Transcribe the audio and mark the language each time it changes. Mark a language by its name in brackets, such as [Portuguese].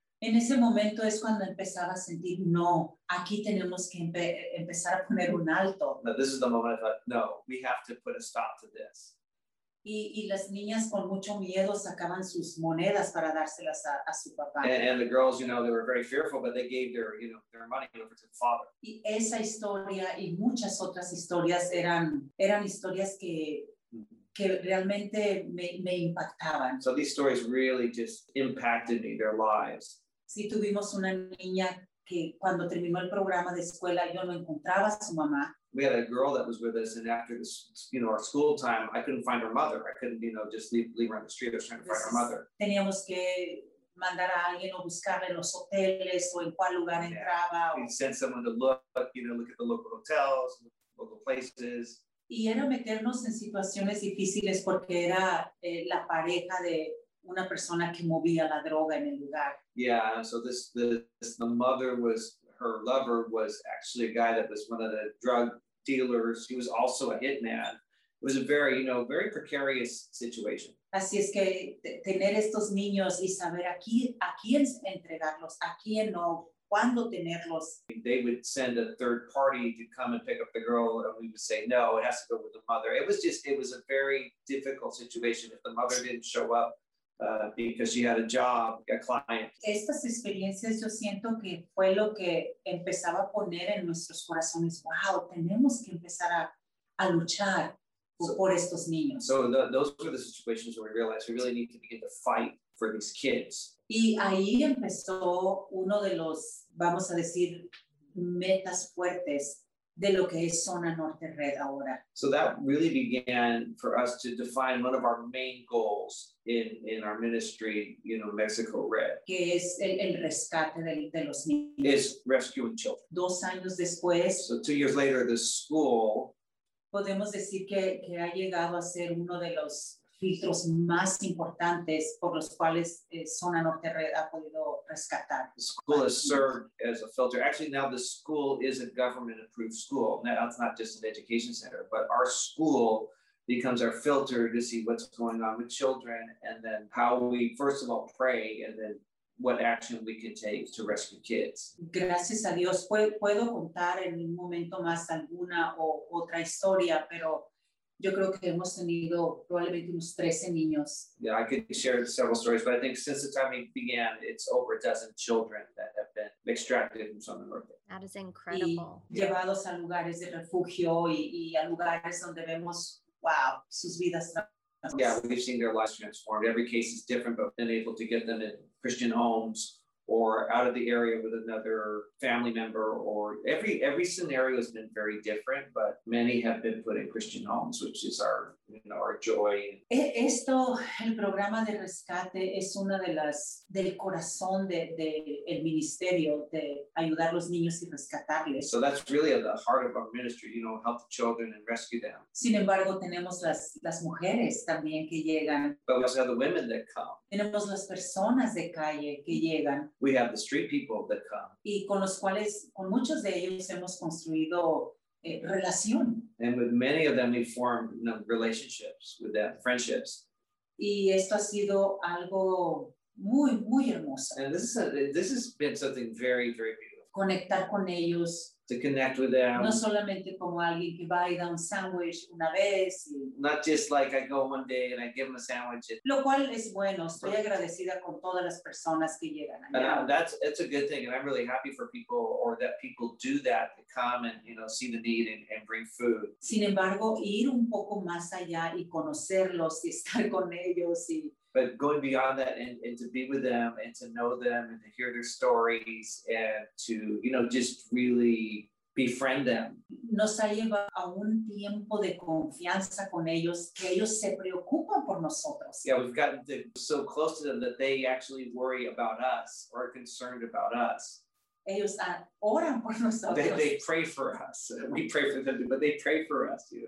[Spanish] En ese momento es cuando empezaba a sentir, no, aquí tenemos que empezar a poner un alto. [English] Now this is the moment I thought, no, we have to put a stop to this. [Spanish] Y las niñas con mucho miedo sacaban sus monedas para dárselas a su papá. [English] And the girls, you know, they were very fearful, but they gave their, you know, their money over to the father. [Spanish] Y esa historia y muchas otras historias eran historias que realmente me impactaban. [English] So these stories really just impacted me, their lives. [Spanish] Sí, tuvimos una niña que cuando terminó el programa de escuela yo no encontraba a su mamá. [English] We had a girl that was with us, and after this, you know, our school time, I couldn't find her mother. I couldn't, you know, just leave her on the street. I was trying to find her mother. [Spanish] Teníamos que mandar a alguien o buscarla en los hoteles o en cuál lugar entraba. [English] We sent someone to look at the local hotels, local places. [Spanish] Y era meternos en situaciones difíciles porque era la pareja de una persona que movía la droga en el lugar. [English] Yeah, so the mother was. Her lover was actually a guy that was one of the drug dealers. He was also a hitman. It was a very, you know, very precarious situation. [Spanish] Así es que tener estos niños y saber a quién entregarlos, a quién no, cuándo tenerlos. [English] They would send a third party to come and pick up the girl, and we would say, no, it has to go with the mother. It was a very difficult situation. If the mother didn't show up, because she had a job, a client. [Spanish] Estas experiencias yo siento que fue lo que empezaba a poner en nuestros corazones, wow, tenemos que empezar a luchar por estos niños. [English] So those were the situations where we realized we really need to begin to fight for these kids. [Spanish] Y ahí empezó uno de los, vamos a decir, metas fuertes de lo que es Zona Norte Red ahora. [English] So that really began for us to define one of our main goals in our ministry, you know, Mexico Red. [Spanish] Que es el rescate de los niños. [English] Is rescuing children. [Spanish] 2 años después. [English] So 2 years later, the school. [Spanish] Podemos decir que ha llegado a ser uno de los filtros más importantes por los cuales Zona Norte Red ha podido rescatar. [English] The school has served as a filter. Actually, now the school is a government-approved school. Now, it's not just an education center, but our school becomes our filter to see what's going on with children and then how we, first of all, pray and then what action we can take to rescue kids. [Spanish] Gracias a Dios. Puedo contar en un momento más alguna o otra historia, pero yo creo que hemos tenido probablemente unos 13 niños. [English] Yeah, I could share several stories, but I think since the time it began, it's over a dozen children that have been extracted from Southern North. That is incredible. [Spanish] Y llevados a lugares de refugio y a lugares donde vemos, wow, sus vidas. [English] Yeah, we've seen their lives transformed. Every case is different, but been able to get them in Christian homes or out of the area with another family member, or every scenario has been very different, but many have been put in Christian homes, which is our, you know, our joy. [Spanish] Esto, el programa de rescate, es una de las, del corazón de el ministerio de ayudar a los niños y rescatarles. [English] So that's really at the heart of our ministry, you know, help the children and rescue them. [Spanish] Sin embargo, tenemos las mujeres también que llegan. [English] But we also have the women that come. [Spanish] Tenemos las personas de calle que llegan. [English] We have the street people that come. [Spanish] Y con los cuales, con muchos de ellos hemos construido relación. [English] And with many of them, we form, you know, relationships with them, friendships. [Spanish] Y esto ha sido algo muy, muy hermoso. [English] And this has been something very, very beautiful. [Spanish] Conectar con ellos. [English] To connect with them. [Spanish] No solamente como alguien que va y da un sándwich una vez. Y [English] not just like I go one day and I give them a sandwich. [Spanish] Lo cual es bueno. Estoy perfect. Agradecida con todas las personas que llegan allá. [English] That's a good thing. And I'm really happy for people, or that people do that, to come and, you know, see the need and bring food. [Spanish] Sin embargo, ir un poco más allá y conocerlos y estar con ellos y. [English] But going beyond that and to be with them and to know them and to hear their stories and to, you know, just really befriend them. [Spanish] Nos ha llevado a un tiempo de confianza con ellos, que ellos se preocupan por nosotros. [English] Yeah, we've gotten so close to them that they actually worry about us or are concerned about us. [Spanish] Ellos oran por nosotros. [English] They pray for us. We pray for them, but they pray for us, you